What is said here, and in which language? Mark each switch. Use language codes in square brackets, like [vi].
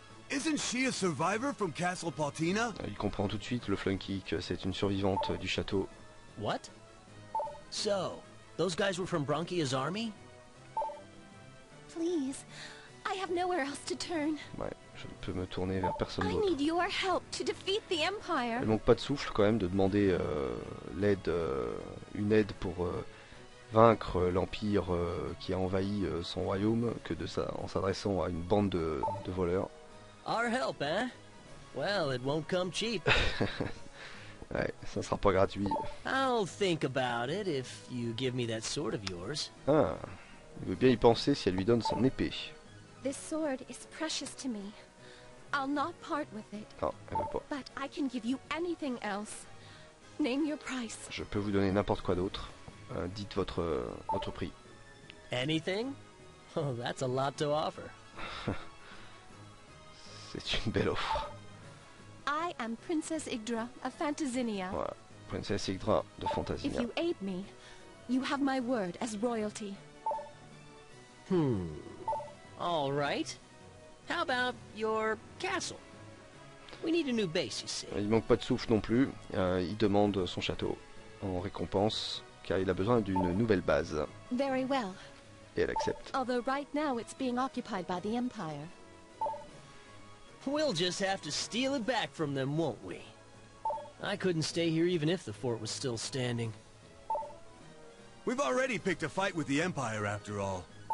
[en] Isn't she a survivor from Castle Paltina? [fr] Il comprend tout de suite, le Flunky, que c'est une survivante du château. [en] What? So, those guys were from Bronchia's army? Please, I have nowhere else to turn. [fr] Ouais, je ne peux me tourner vers personne d'autre. [en] I need your help to defeat the Empire. [fr] Elle manque pas de souffle quand même de demander l'aide, une aide pour vaincre l'Empire qui a envahi son royaume, que de ça, en s'adressant à une bande de voleurs. [en] Our help, hein? Well, it won't come cheap. [fr] Ouais, ça sera pas gratuit. [en] I'll think about it if you give me that sword of yours. [fr] Ah, il veut bien y penser si elle lui donne son épée. [en] This sword is precious to me. I'll not part with it. [fr] Non, elle veut pas. [en] But I can give you anything else. Name your price. [fr] Je peux vous donner n'importe quoi d'autre. Dites votre prix. [en] Anything? Oh, that's a lot to offer. [fr] C'est une belle offre. [en] I am Princess Yggdra of Phantasinia. [fr] Voilà. Princesse Yggdra de Phantasinia. [en] If you aid me, you have my word as royalty. Hmm. All right. How about your castle? We need a new base, you see. [fr] Il manque pas de souffle non plus. Il demande son château en récompense car il a besoin d'une nouvelle base. [en] Very well. [fr] Et elle accepte. [en] Although right now it's being occupied by the Empire. We'll just have to steal it back from them, won't we? I couldn't stay here even if the fort was still standing. We've already picked a fight with the Empire, after all.